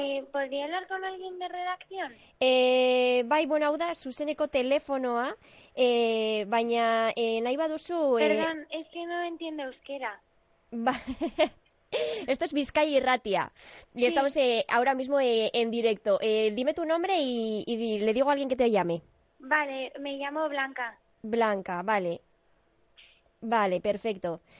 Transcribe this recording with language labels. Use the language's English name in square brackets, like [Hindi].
[Spanish] ¿Podría hablar con alguien de redacción? [Basque] Bai, bueno, hau da, zuzeneko telefonoa, baina nahi baduzu... [Spanish] Perdón, es que no entiende euskera. Ba, esto es Bizkaia Irratia, y sí. Estamos ahora mismo en directo. Dime tu nombre y le digo a alguien que te llame. Vale, me llamo Blanca. Blanca, vale. Vale, perfecto.